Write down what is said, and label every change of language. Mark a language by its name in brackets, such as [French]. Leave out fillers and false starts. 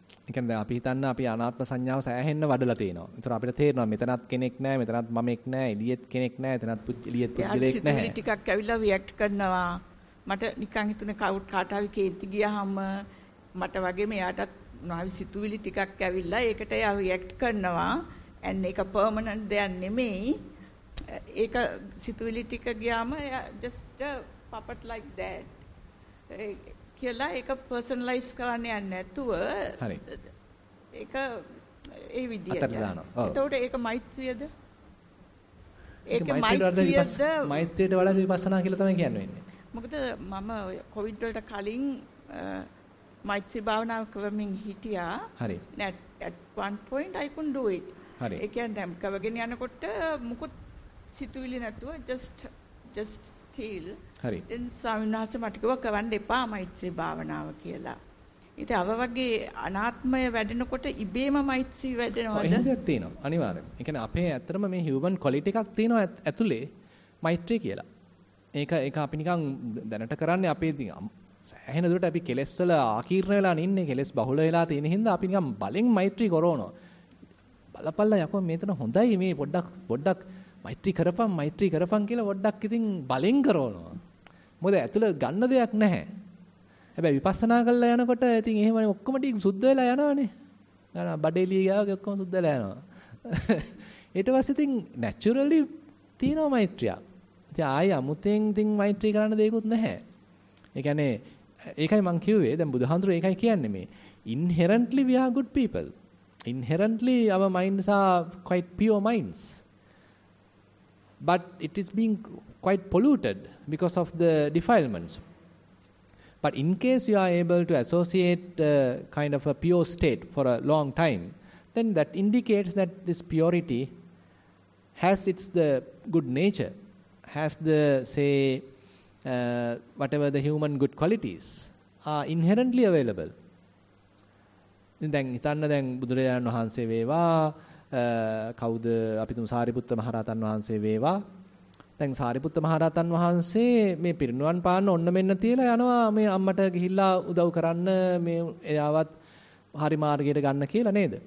[Sinhala] එකෙන් දැන් අපි හිතන්න අපි අනාත්ම සංඥාව සෑහෙන්න වඩලා තිනවා. ඒතර අපිට තේරෙනවා මෙතනත් කෙනෙක් නැහැ, මෙතනත් මමෙක් නැහැ, එළියෙත් කෙනෙක් නැහැ, එතනත් එළියෙත් පුජලෙක් නැහැ. ඇසි ටිකක් ඇවිල්ලා රියැක්ට් කරනවා. මට නිකන් හිතුනේ කවුට් කාටාවි කේන්ති ගියාම මට වගේ මෙයාටත් නොහරි සිතුවිලි ටිකක් ඇවිල්ලා ඒකට යා රියැක්ට් කරනවා. එන්න ඒක පර්මනන්ට් දෙයක් නෙමෙයි. ඒක සිතුවිලි ටික ගියාම [English] just a puppet like that. [Sinhala] කියලා ඒක පර්සනලයිස් කරන්න යන්නේ නැතුව හරි ඒක ඒ විදියට අතට දානවා. ඔව්. එතකොට ඒක මෛත්‍රියද? ඒක මෛත්‍රියද? මෛත්‍රියට වඩා විපස්සනා කියලා තමයි කියන්නේ. මොකද මම කොවිඩ් වලට කලින් මෛත්‍රී භාවනාව කරමින් හිටියා. හරි. [English] At one point I couldn't do it. [Sinhala] හරි. ඒ කියන්නේ දැන් කවගෙන යනකොට මුකුත් සිතුවිලි නැතුව [English] just still. [Sinhala] හරි. දැන් සාමිනාස මට කිව්ව කවන්න එපා මෛත්‍රී භාවනාව කියලා. ඉතින් අව වගේ අනාත්මය වැඩෙනකොට ඉබේම මෛත්‍රී වැඩෙනවද? එහෙමද තියෙනවා අනිවාර්යයෙන්. ඒ කියන්නේ අපේ ඇත්තටම මේ හියුමන් ක්වොලිටි එකක් තියෙනවා ඇතුලේ මෛත්‍රී කියලා. ඒක අපි නිකන් දැනට කරන්නේ අපේ සෑහෙන දුරට අපි කෙලස් වල ආකීර්ණ වෙලා නින්නේ කෙලස් බහුල වෙලා තියෙන හින්දා අපි නිකන් බලෙන් මෛත්‍රී කරවනවා. බලපල්ලා යකෝ මේතන හොඳයි මේ පොඩ්ඩක් මෛත්‍රී කරපම් කියලා වඩක් ඉතින් බලෙන් කරවනවා. මොකද ඇතුළ ගන්න දෙයක් නැහැ. හැබැයි විපස්සනා කරලා යනකොට ඉතින් එහෙම ඔක්කොම ටික සුද්ධ වෙලා යනවනේ. ගන්න බඩේලිය ගාවගේ ඔක්කොම සුද්ධ වෙලා යනවා. ඊට පස්සේ ඉතින් නැචරලි තියෙනවා මෛත්‍රිය. ඉතින් ආයේ අමුතෙන් ඉතින් මෛත්‍රී කරන්න දෙයක්වත් නැහැ. ඒ කියන්නේ ඒකයි මං කිව්වේ දැන් බුදුහාඳුර ඒකයි කියන්නේ මේ [English] inherently we are good people. Inherently our minds are quite pure minds. But it is being quite polluted because of the defilements. But in case you are able to associate a kind of a pure state for a long time, then that indicates that this purity has its the good nature, has the, say, whatever the human good qualities are inherently available. [Sinhala] Then ithanna den budhurayan wahanse weva කවුද අපි තුමු සාරිපුත්ත මහරහතන් වහන්සේ වේවා. දැන් සාරිපුත්ත මහරහතන් වහන්සේ මේ පිරිනුවන් පාන්න ඔන්න මෙන්න තියලා යනවා මේ අම්මට ගිහිල්ලා උදව් කරන්න මේ එයාවත් හරි මාර්ගයට ගන්න කියලා නේද?